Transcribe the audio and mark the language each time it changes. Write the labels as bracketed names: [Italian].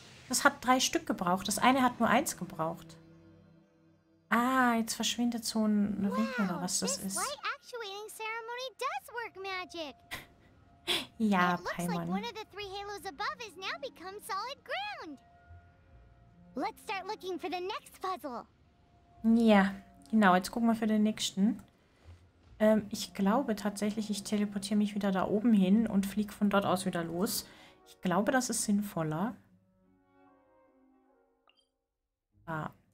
[German] Das hat 3 Stück gebraucht. Das eine hat nur 1 gebraucht. Ah, jetzt verschwindet so ein Ring, oder was das ist. Wow, diese Light-Actuating-Zeremonie funktioniert Magic. Ja, Paimon. Es sieht aus, als einer der 3 Halos oben ist jetzt [English] solid ground. Let's start looking for the next puzzle. [German] Ja, genau. Jetzt gucken wir für den nächsten. Ich glaube tatsächlich, ich teleportiere mich wieder da oben hin und fliege von dort aus wieder los. Ich glaube, das ist sinnvoller. Ah.